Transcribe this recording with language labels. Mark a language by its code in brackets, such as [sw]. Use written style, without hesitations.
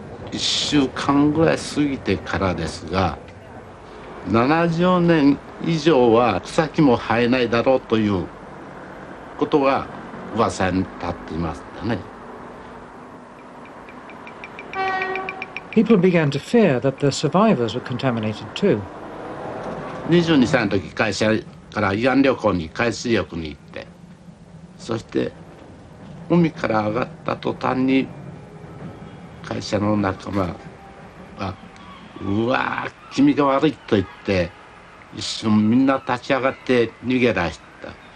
[ja] 1週間ぐらい過ぎてからですが、70年以上は草木も生えないだろうということが噂に立っていましたね。 [en] People began to fear that the survivors were contaminated too. [ja] 22歳の時、会社から慰安旅行に海水浴に行って、そして海から上がった途端に会社の仲間うわぁ君が悪いと言って一瞬みんな立ち上がって逃げ出した。